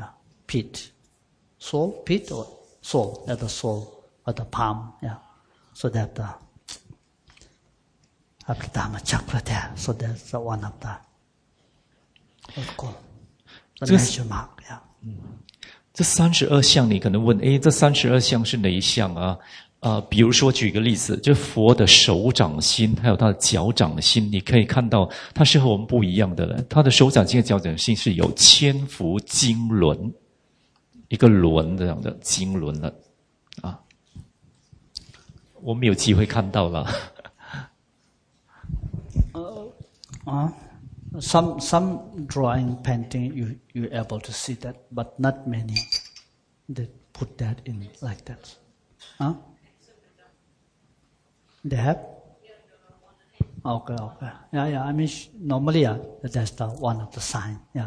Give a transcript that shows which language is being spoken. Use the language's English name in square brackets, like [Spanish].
[English] Yeah, feet. Soul, feet or soul, at the soul, at the palm, yeah. So that, have the Dharma chakra there. So that's one of the, what's called, the measure mark, yeah. Mm-hmm. [Chinese] 这三十二相你可能问，诶，这三十二相是哪一相啊？比如说举个例子，就佛的手掌心还有他的脚掌心，你可以看到它是和我们不一样的了。他的手掌心和脚掌心是有千佛经轮，一个轮这样的经轮的啊，我们有机会看到了。 [English] Some drawing painting you able to see that, but not many that put that in like that. Huh? They have? Okay. Yeah. I mean, normally, that's the one of the sign. Yeah.